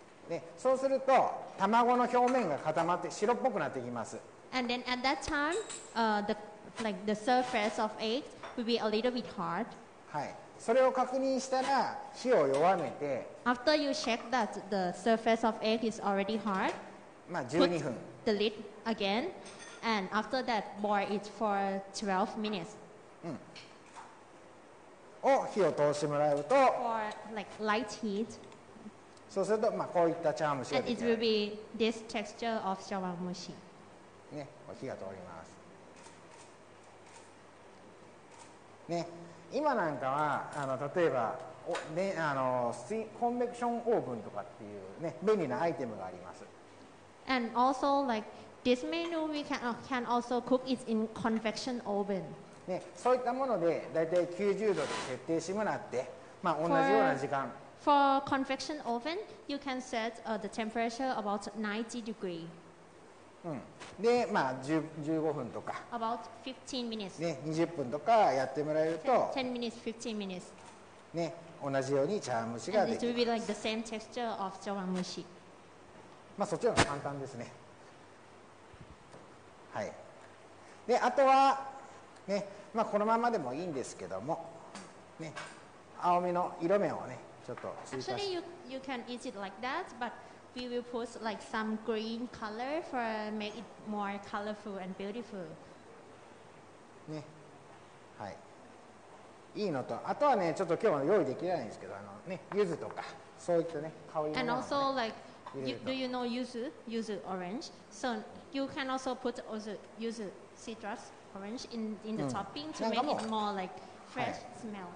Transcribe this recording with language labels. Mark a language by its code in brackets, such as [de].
[ja] で、そうすると、卵の表面が固まって白っぽくなってきます。 [en] And then at that time,、the, like, the surface of egg will be a little bit hard. [ja] はい。それを確認したら火を弱めて、 [en] After you check that the surface of egg is already hard, [ja] まあ12分、 [en] put the lid again, and after that boil it for 12 minutes. [ja] うん。を火を通してもらうと、 [en] for like light heat. [ja] そうすると、まあこういった茶碗蒸しが出来上がる。 [en] And it will be this texture of 茶碗蒸し。 [ja] ね、火が通ります。ね。今なんかは例えば、ね、コンベクションオーブンとかっていう、ね、便利なアイテムがあります。 [en] And also, like, this menu we can also cook it in convection oven.、 [ja] ね、そういったもので大体90度で設定してもらって、まあ、同じような時間。 [en] For convection oven, you can set the temperature about 90 degrees. [ja] うん、で、まあ、15分とか [en] About 15 minutes.、 [ja] ね、20分とかやってもらえると [en] 10 minutes, 15 minutes.、 [ja] ね、同じように茶碗蒸しができます。 [en] And it will be like the same texture of 茶碗蒸し。 [ja] まあ、そっちの方が簡単ですね。はい。で、あとは、ね、まあ、このままでもいいんですけども、ね、青みの色面をね、ちょっと追加して。 [en] Actually, you can eat it like that, butWe will put like some green color for make it more colorful and beautiful. [ja] ね、はい、いいのと、あとはね、ちょっと今日は用意できないんですけど、ね、柚子とかそういったね、香りのものを、ね、 [en] And also like, do you know yuzu? Yuzu orange. So you can also put also yuzu citrus orange in the、うん、topping to make it more like fresh、はい、smell.